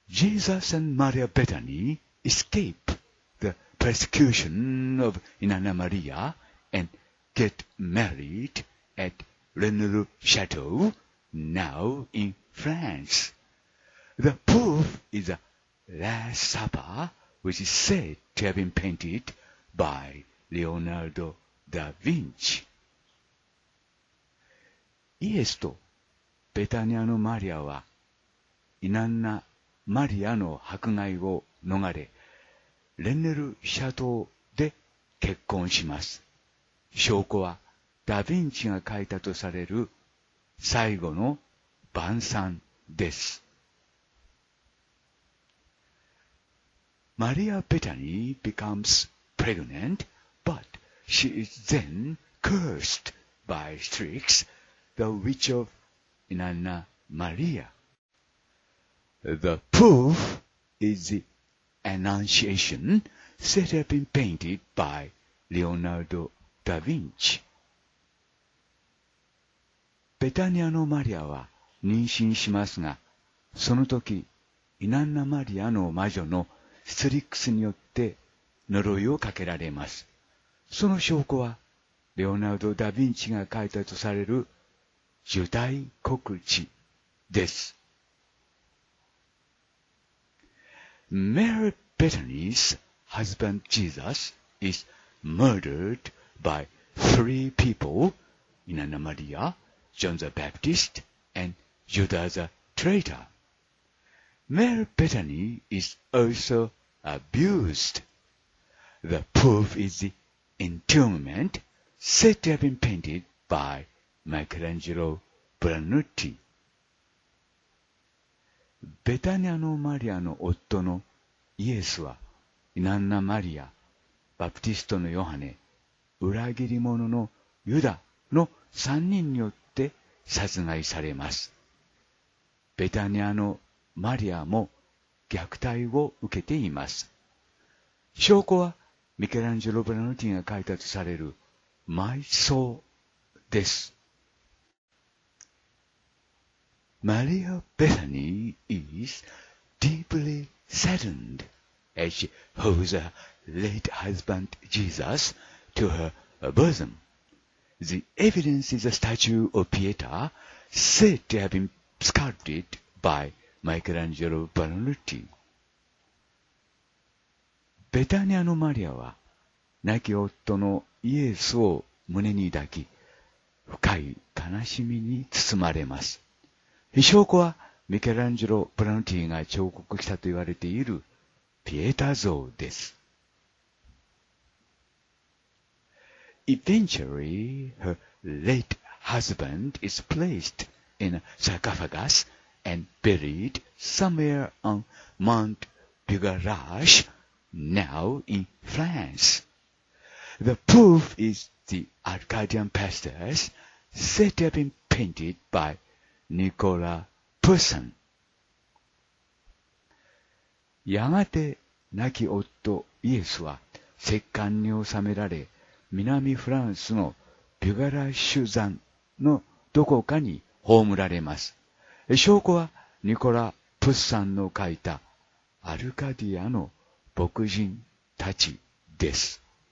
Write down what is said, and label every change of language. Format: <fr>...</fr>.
<en>Jesus and Maria Bethany escape the persecution of Inanna Maria and get married at Renelu Chateau, now in France. The proof is the Last Supper, which is said to have been paintedby Leonardo da Vinci.</en> <ja>イエスとベタニアのマリアはイナンナ・マリアの迫害を逃れレネル・シャトーで結婚します。証拠はダ・ヴィンチが書いたとされる最後の晩餐です。</ja> <en>マリア・ベタニー becomesPregnant, but she is then cursed by Strix, the witch of Inanna Maria. The proof is the Annunciation set up and painted by Leonardo da Vinci。</en> <ja>ベタニアのマリアは妊娠しますが、その時イナンナ・マリアの魔女のストリックスによって呪いをかけられます。その証拠はレオナルド・ダ・ヴィンチが書いたとされる受胎告知です。</ja> <en>Mary Bethany's husband Jesus is murdered by three people, イナンナ・マリア、ジョン・ザ・バプティストAnd Judah the traitor. Mary Bethany is also abused. The proof is the entombment said to have been painted by Michelangelo Brunotti.</en> <ja>ベタニアのマリアの夫のイエスは、イナンナ・マリア、バプティストのヨハネ、裏切り者のユダの3人によって殺害されます。ベタニアのマリアも虐待を受けています。証拠はミケランジェロ・ブラノティが書いたとされる埋葬です。</ja> <en>Maria Bethany is deeply saddened as she holds her late husband Jesus to her bosom. The evidence is a statue of Pietà said to have been sculpted by Michelangelo Brunotti.</en> <ja>ベタニアのマリアは亡き夫のイエスを胸に抱き、深い悲しみに包まれます。証拠はミケランジェロ・ブラノティが彫刻したと言われているピエタ像です。</ja> <en>Eventually, her late husband is placed in a sarcophagus and buried somewhere on Mount Bugarach, now in France. The proof is the Arcadian pastures said to have been painted by Nicolas Poussin.</en> <ja>やがて亡き夫イエスは石棺に納められ、南フランスのビュガラッシュ山のどこかに葬られます。証拠はニコラ・プッサンの書いたアルカディアの牧人たちです。</ja>